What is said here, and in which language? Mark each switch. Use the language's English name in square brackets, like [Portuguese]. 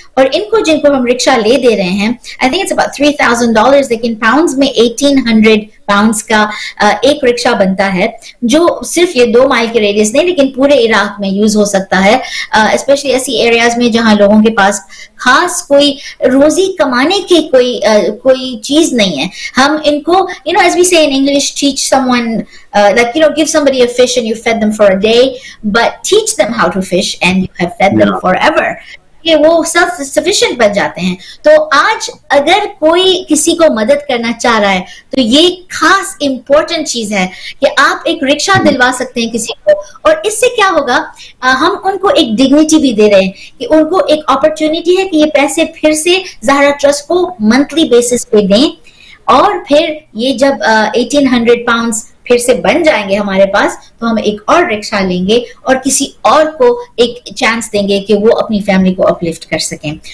[Hindi] और इनको जिनको हम रिक्शा ले दे रहे हैं, [English] I think it's about $3,000, [Hindi] लेकिन पाउंड्स में 1800 pounds का एक रिक्शा बनता है जो सिर्फ ये 2 माइल के रेडियस नहीं लेकिन पूरे इराक में यूज हो सकता है, स्पेशली ऐसी एरियाज में जहां लोगों के पास खास कोई रोजी कमाने की कोई कोई चीज नहीं है। हम इनको, [English] You know, as we say in English, teach someone like, you know, give somebody a fish and you fed them for a day, but teach them how to fish and you have fed them forever. [Hindi] कि वो self sufficient बन जाते हैं। तो आज अगर कोई किसी को मदद करना चाह रहा है तो ये खास इम्पोर्टेंट चीज है कि आप एक रिक्शा दिलवा सकते हैं किसी को, और इससे क्या होगा, हम उनको एक डिग्निटी भी दे रहे हैं कि उनको एक अपॉर्चुनिटी है कि ये पैसे फिर से ज़ारा ट्रस्ट को मंथली बेसिस पे दें, और फिर ये जब 1800 pounds फिर से बन जाएंगे हमारे पास तो हम एक और रिक्शा लेंगे और किसी और को एक चांस देंगे कि वो अपनी फैमिली को अपलिफ्ट कर सकें।